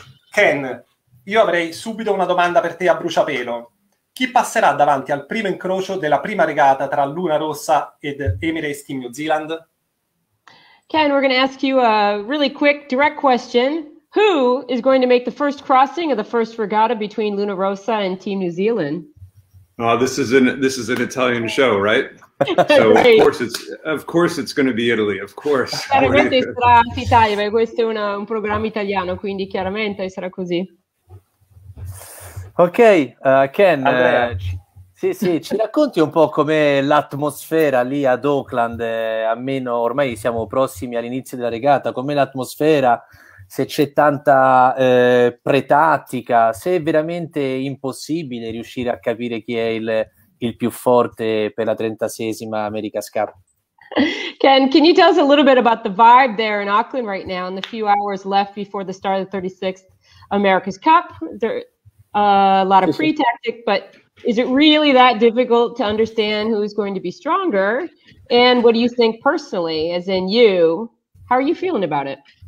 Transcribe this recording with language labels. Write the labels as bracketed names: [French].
[Italian] Ken, io avrei subito una domanda per te a bruciapelo. Chi passerà davanti al primo incrocio della prima regata tra Luna Rossa ed Emirates Team New Zealand? [English] Ken, we're going to ask you a really quick, direct question. Who is going to make the first crossing of the first regatta between Luna Rossa and Team New Zealand? Oh, this is an Italian show, right? So right. Of course it's going to be Italy, of course. [Italian] Chiaramente sarà Italia, ma questo è un programma italiano, quindi chiaramente sarà così. Ok, Ken, ci racconti un po' com'è l'atmosfera lì ad Auckland, almeno ormai siamo prossimi all'inizio della regata, com'è l'atmosfera, se c'è tanta pretattica, se è veramente impossibile riuscire a capire chi è il più forte per la 36esima America's Cup. [English] Ken, can you tell us a little bit about the vibe there in Auckland right now and the few hours left before the start of the 36th America's Cup? A lot of pre-tactic, but is it really that difficult to understand who's going to be stronger? And what do you think personally, as in you, how are you feeling about it?